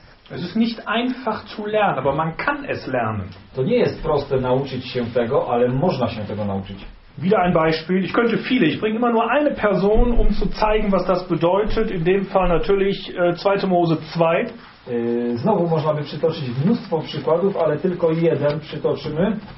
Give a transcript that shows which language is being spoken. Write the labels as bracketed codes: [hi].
[de] Es ist nicht einfach zu lernen, aber man kann es lernen. [pl] To nie jest proste nauczyć się tego, ale można się tego nauczyć. [de] Wieder ein Beispiel. Ich könnte viele. Ich bringe immer nur eine Person, um zu zeigen, was das bedeutet. In dem Fall natürlich 2. Mose 2. [pl] Znowu można by przytoczyć mnóstwo przykładów, ale tylko jeden przytoczymy.